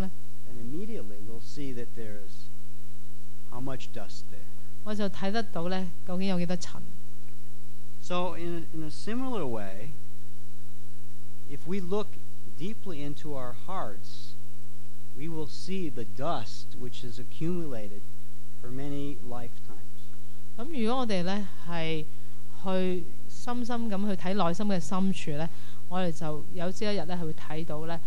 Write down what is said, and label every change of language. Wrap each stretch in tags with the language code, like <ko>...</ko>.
<en>then immediately we'll see that there is how much dust there.</en> <zh>我就看得到究竟有多少尘。</zh> <en>So in a similar way, if we look deeply into our hearts, we will see the dust which has accumulated for many lifetimes.</en> <zh>如果我们去深深地看内心的深处, 我们就有朝一日会看到</zh>